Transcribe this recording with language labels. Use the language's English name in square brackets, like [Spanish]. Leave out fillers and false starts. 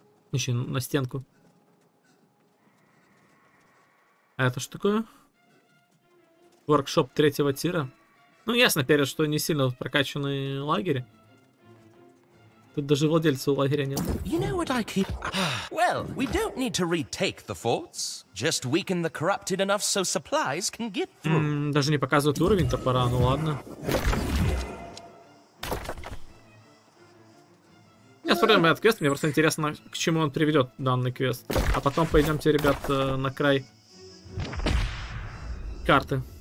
[Russian] Еще на стенку. А это что такое? Воркшоп третьего тира. Ну, ясно, перед, что не сильно прокачанные лагеря. Тут даже владельца у лагеря нет. [English] You know what I keep... Well, we don't need to retake the forts. Just weaken the corrupted enough so supplies can get through. [Russian] Даже не показывают уровень топора, ну ладно. Я смотрю на этот квест, мне просто интересно, к чему он приведет данный квест. А потом пойдемте, ребят, на край карты.